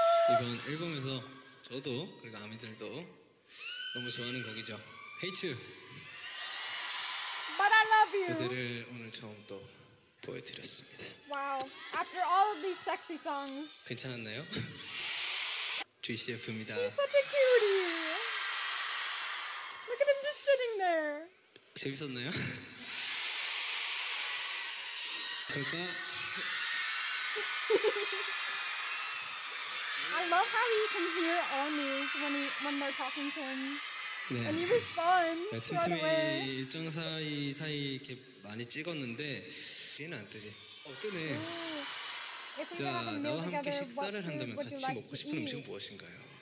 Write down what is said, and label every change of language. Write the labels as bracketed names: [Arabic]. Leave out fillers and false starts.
[Korean] 이번 앨범에서 저도 그리고 아미들도 너무 좋아하는 곡이죠. [English] Hate you. But I love you. [Korean] 그대를 오늘 처음 또 보여드렸습니다. Wow. [English] After all of these sexy songs. [Korean] 괜찮았나요? G.C.F입니다. [English] He's such a cutie. Look at him just sitting there. [Korean] 재밌었나요? 그럴까? [English] I love how you can hear all news when they're talking to him. [Korean] 네. [English] And you respond right away. [Korean] 틈틈이 일정 사이 이렇게 많이 찍었는데 얘는 안 뜨지. 어, 뜨네. 자, 나와 함께 식사를 한다면 같이 먹고 싶은 음식은 무엇인가요?